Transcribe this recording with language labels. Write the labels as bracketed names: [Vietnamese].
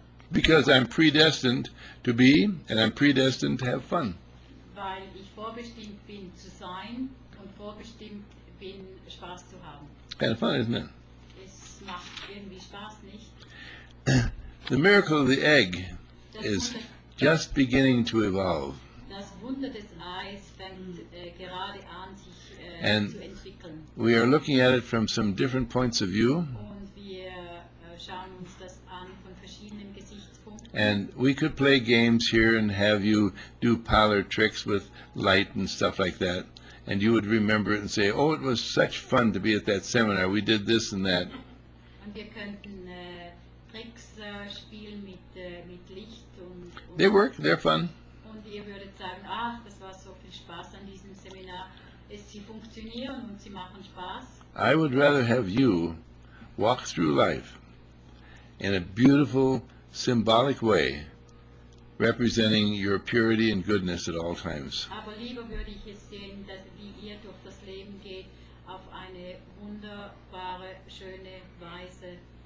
[English] Because I'm predestined to be, and I'm predestined to have fun. [German] Weil ich vorbestimmt bin zu sein und vorbestimmt bin Spaß zu haben. [English] Kind of fun, isn't it? [German] Es macht irgendwie Spaß, nicht? [English] The miracle of the egg is just beginning to evolve. [German] Das Wunder des Eis fängt gerade an, sich [English] and [German] zu entwickeln. [English] We are looking at it from some different points of view. [German] Und wir schauen uns das an von verschiedenen Gesichtspunkten. [English] And we could play games here and have you do parlor tricks with light and stuff like that. And you would remember it and say, oh, it was such fun to be at that seminar. We did this and that. [German] Und wir könnten Tricks spielen mit Licht und [English] they work. They're fun. [German] Ihr würdet sagen, ach, das war so viel Spaß an diesem Seminar. Sie funktionieren und sie machen Spaß. [English] I would rather have you walk through life in a beautiful, symbolic way, representing your purity and goodness at all times. [German] Aber lieber würde ich es sehen, dass wie ihr durch das Leben geht, auf eine wunderbare, schöne Weise.